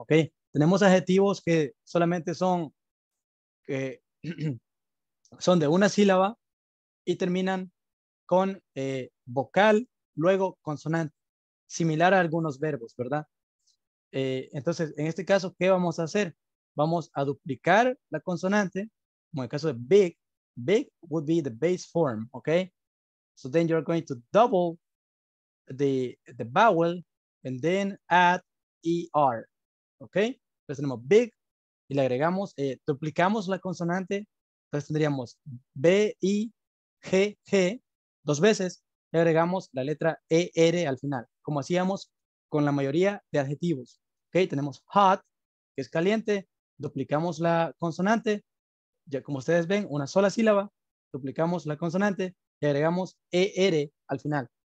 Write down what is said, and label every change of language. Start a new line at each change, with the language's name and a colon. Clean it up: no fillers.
Spanish: Okay, tenemos adjetivos que solamente son que son de una sílaba y terminan con vocal, luego consonante, similar a algunos verbos, ¿verdad? Entonces, en este caso, ¿qué vamos a hacer? Vamos a duplicar la consonante, como en el caso de big.
English: Big would be the base form, okay? So then you're going to double the vowel and then add er.
Spanish: Okay, entonces tenemos big y le agregamos, duplicamos la consonante, entonces tendríamos b i g g dos veces, le agregamos la letra er al final, como hacíamos con la mayoría de adjetivos. Okay, tenemos hot, que es caliente, duplicamos la consonante, ya como ustedes ven, una sola sílaba, duplicamos la consonante, le agregamos er al final.